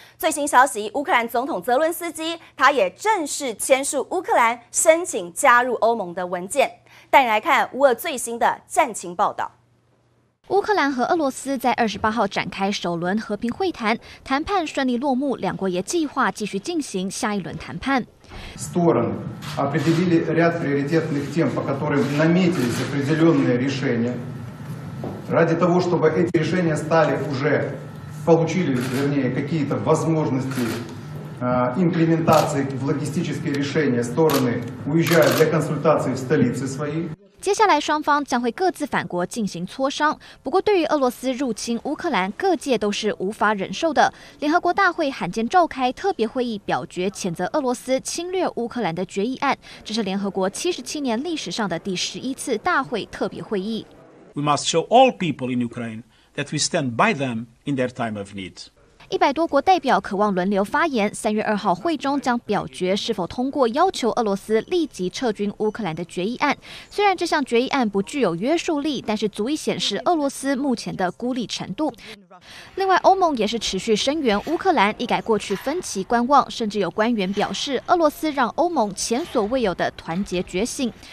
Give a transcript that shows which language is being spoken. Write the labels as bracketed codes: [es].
[zh] 最新消息，乌克兰总统泽伦斯基他也正式签署乌克兰申请加入欧盟的文件。带你来看乌俄最新的战情报道。乌克兰和俄罗斯在28号展开首轮和平会谈，谈判顺利落幕，两国也计划继续进行下一轮谈判。 [ru] Стороны определили ряд приоритетных тем, по которым наметились определенные решения. Ради того, чтобы эти решения стали уже, получили, вернее, какие-то возможности имплементации в логистические решения, стороны уезжают для консультации в столице своей. [zh] 接下来双方将会各自返国进行磋商，不过对于俄罗斯入侵乌克兰，各界都是无法忍受的。联合国大会罕见召开特别会议，表决谴责俄罗斯侵略乌克兰的决议案，这是联合国77年历史上的第11次大会特别会议。 [en] We must show all people in Ukraine that we stand by them in their time of need. [zh] 100多国代表渴望轮流发言，3月2号会中将表决是否通过要求俄罗斯立即撤军乌克兰的决议案。虽然这项决议案不具有约束力，但是足以显示俄罗斯目前的孤立程度。另外，欧盟也是持续声援乌克兰，一改过去分歧观望，甚至有官员表示俄罗斯让欧盟前所未有的团结觉醒。